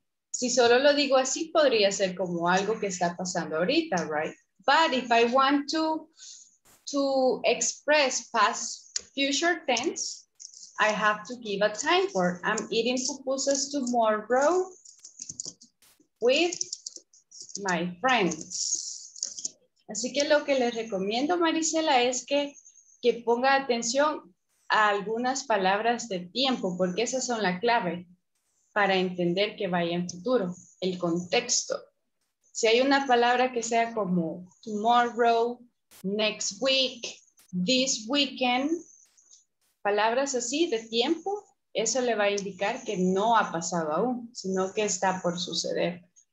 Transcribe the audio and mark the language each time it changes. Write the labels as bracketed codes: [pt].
[es] Si solo lo digo así, podría ser como algo que está pasando ahorita, right? [en] But if I want to express past future tense, I have to give a time for I'm eating pupusas tomorrow with my friends. [es] Así que lo que les recomiendo, Marisela, es que ponga atención a algunas palabras de tiempo, porque esas son la clave para entender que vaya en futuro, el contexto. Si hay una palabra que sea como [en] tomorrow, next week, this weekend, [es] palabras así de tiempo, eso le va a indicar que no ha pasado aún, sino que está por suceder.